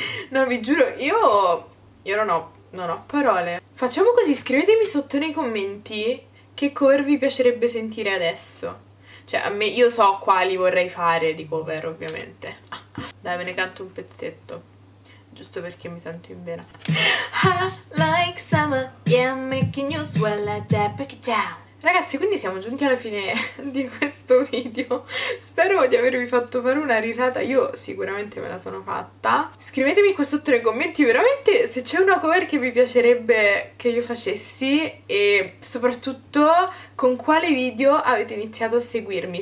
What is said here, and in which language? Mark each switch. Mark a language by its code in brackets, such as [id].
[it] No, vi giuro, io non ho parole. Facciamo così, scrivetemi sotto nei commenti che cover vi piacerebbe sentire adesso. Cioè, a me, io so quali vorrei fare di cover, ovviamente. Dai, me ne canto un pezzetto. Giusto perché mi sento in vena. [en] Like summer, yeah, making you swell, break it down. [it] Ragazzi, quindi siamo giunti alla fine di questo video. Spero di avervi fatto fare una risata. Io sicuramente me la sono fatta. Scrivetemi qua sotto nei commenti, veramente, se c'è una cover che vi piacerebbe che io facessi. E soprattutto, con quale video avete iniziato a seguirmi.